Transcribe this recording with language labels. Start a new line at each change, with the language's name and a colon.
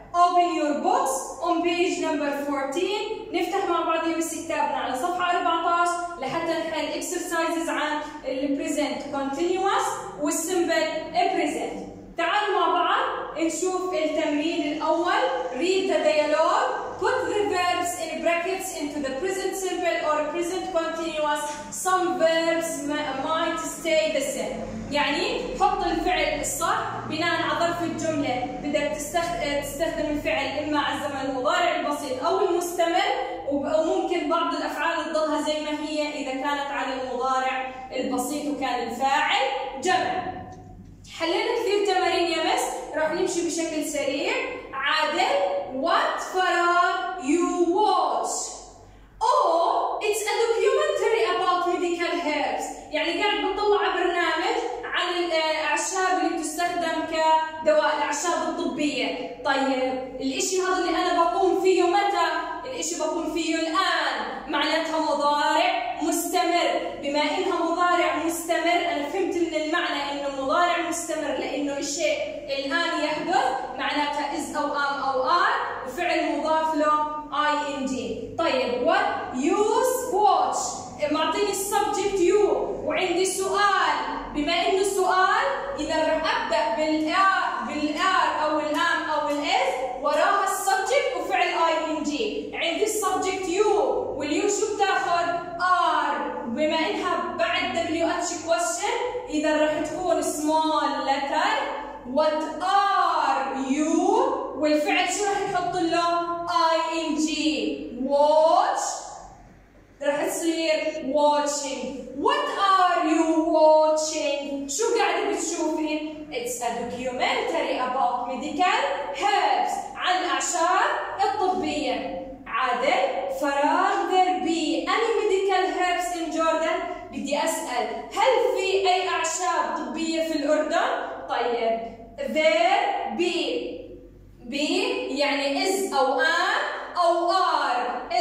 English: Open your books on page number 14.
Arabic: نفتح مع بعض يمس كتابنا على صفحة 14 لحتى نحل exercises عن ال present continuous والsimple present. تعالوا مع بعض نشوف التمرين الأول.
English: Read the dialogue. Put the verbs in brackets into the present simple or present continuous. Some verbs might stay the same.
Arabic: يعني حط الفعل الصح بناء على ظرف الجملة. بدك تستخدم الفعل إما على الزمن المضارع البسيط أو المستمر، وممكن بعض الأفعال تضلها زي ما هي إذا كانت على المضارع البسيط وكان الفاعل جمع. حلينا كثير تمارين يا مس، راح نمشي بشكل سريع.
English: عادل، what فراغ you watch؟ Oh, it's a documentary about medical herbs.
Arabic: يعني قاعد بتطلع برنامج عن الأعشاب اللي بتستخدم كدواء، الأعشاب الطبية. طيب، الإشي هذا اللي أنا بقوم فيه متى؟ الإشي بقوم فيه الآن، معناتها مضارع مستمر. بما إنها مضارع مستمر، أنا فهمت من المعنى إنه مضارع مستمر لأنه الشيء الآن يحدث، معناتها is أو am أو are، وفعل مضاف له ing. طيب what you watch، معطيني السبجكت يو وعندي سؤال. بما إنه سؤال إذا رح أبدأ بالآر أو الآم أو الإذ، وراها السبجكت وفعل ing. عندي السبجكت يو، واليو شو بتاخذ؟ آر. بما إنها بعد دبليو اتش كويشن إذا رح تكون سمول لتر.
English: What are you؟
Arabic: والفعل شو رح يحط له؟ ing. Watch رح تصير watching.
English: What are you watching؟
Arabic: شو قاعدة بتشوفي؟
English: It's a documentary about medical herbs،
Arabic: عن الأعشاب الطبية. عادل، فراغ
English: there be any medical herbs in Jordan؟
Arabic: بدي أسأل هل في أي أعشاب طبية في الأردن؟ طيب there be يعني is أو am أو are.